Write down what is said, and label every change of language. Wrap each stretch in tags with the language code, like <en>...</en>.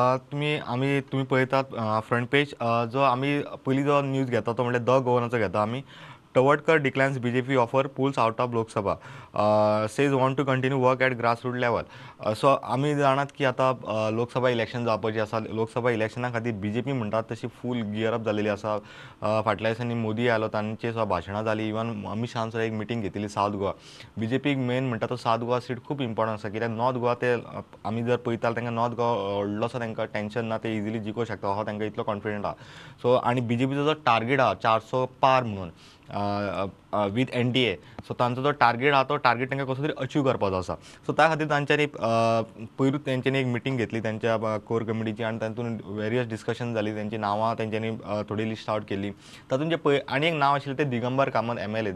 <kok>तुम्ही आम्ही तुम्ही पळयतात फ्रंट पेज. जो आम्ही पहिली जो न्यूज घेता तो म्हणजे द गोवनचो घेता आम्ही.</kok> <en>Tawadkar declines BJP offer, pulls out of Lok Sabha, says want to continue work at grass root level.</en> <kok>सो आम्ही जाणात की आता लोकसभा इलेक्शन जावपाचे असा. लोकसभा इलेक्शना खातीर बीजेपी म्हणतात तशी फूल गियरअप झालेली असा. फाटल्या दिसांनी मोदी आयलो, तांचे सुद्दां भाशणां झाली. इवन अमित शहान सुद्दां एक मिटींग घेतली साउथ गोवा. बीजेपीक मेन म्हणटा तो साउथ गोवा सीट खूप इम्पॉर्टंट असा. कित्याक नॉर्थ गोवा ते आमी जर पळयताले तांकां नॉर्थ गोवा व्हडलोसो तांकां टेन्शन ना, ते इजिली जिंकू शकता हो तांकां इतलो कॉन्फिडंट आहा. सो आनी बीजेपीचो जो टार्गेट आहा 400 पार म्हणून वीथ NDA, सो तांचो जो टार्गेट आहा तो टार्गेट तांकां कसो तरी अचीव करपाचो आसा. सो त्या खातीर तांच्यांनी पयरूच तांच्यांनी एक मिटींग घेतली तांच्या कोर कमिटीची आनी तातूंत वेरियस डिस्कशन जाली. तांची नांवां तांच्यांनी थोडी लिस्ट आवट केली. तातूंत जे आनी एक नांव आशिल्ले ते दिगंबर कामत MLA.</kok>